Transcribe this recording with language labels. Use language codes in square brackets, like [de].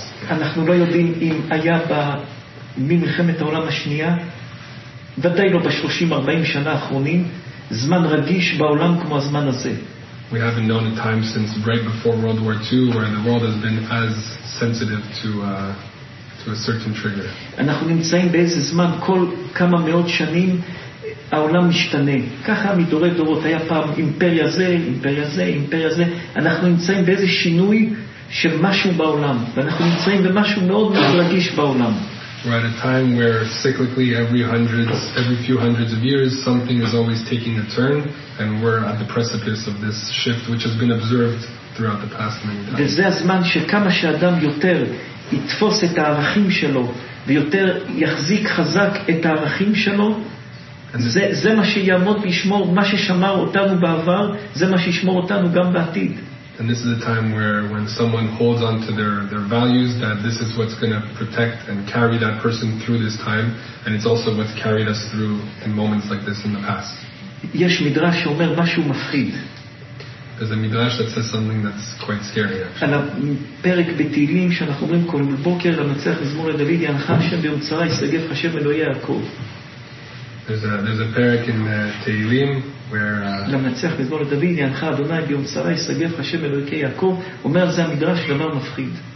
[he] אנחנו לא יודעים אם היה במלחמת העולם השנייה, ודאי לא ב-30-40 שנה האחרונים, זמן רגיש בעולם כמו הזמן הזה. [en] We haven't known a time since right before World War II where the world has been as sensitive to a certain trigger. [he] אנחנו נמצאים באיזה זמן כל כמה מאות שנים העולם משתנה. ככה מדורי דורות היה פעם אימפריה זה, אימפריה זה, אימפריה זה. אנחנו נמצאים באיזה שינוי של משהו בעולם. ואנחנו נמצאים במשהו מאוד מרגיש בעולם. [en] We're at a time where cyclically every few hundreds of years something is always taking a turn and we're at the precipice of this shift which has been observed throughout the past many times. [he] וזה הזמן שכמה שאדם יותר יתפוס את הערכים שלו ויותר יחזיק חזק את הערכים שלו זה מה שיעמוד וישמור מה ששמר אותנו בעבר זה מה שישמור אותנו גם בעתיד. [en] And this is a time where when someone holds on to their values that this is what's going to protect and carry that person through this time and it's also what's carried us through in moments like this in the past. [he] יש מדרש שאומר משהו מפחיד. [en] There's a midrash that says something that's quite scary actually. [he] על הפרק בתהילים שאנחנו אומרים כל בוקר למנצח מזמור לדוד ינחה השם ביומצרה יסגף השם אלוהי יעקב. [en] There's a parak in Tehillim where [he] למנצח מזמור לדוד ינחה אדוני ביום צרה יסגף השם אלוהי יעקב אומר זה המדרש דבר מפחיד.